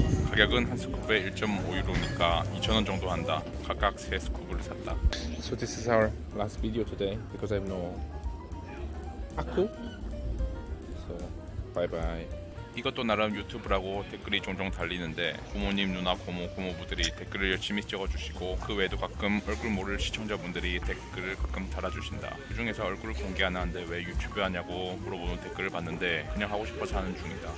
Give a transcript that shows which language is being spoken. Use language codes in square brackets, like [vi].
[ko] 가격은 한 스쿱에 1.5유로니까 2,000원 정도 한다. 각각 세 스쿱을 샀다. [en] So this is our last video today because I have no 아쿠. So bye bye. [ko] 이것도 나름 유튜브라고 댓글이 종종 달리는데 부모님, 누나, 고모, 고모부들이 댓글을 열심히 적어주시고 그 외에도 가끔 얼굴 모를 시청자분들이 댓글을 가끔 달아주신다. 그 중에서 얼굴을 공개 안 하는데 왜 유튜브 하냐고 물어보는 댓글을 봤는데 그냥 하고 싶어서 하는 중이다.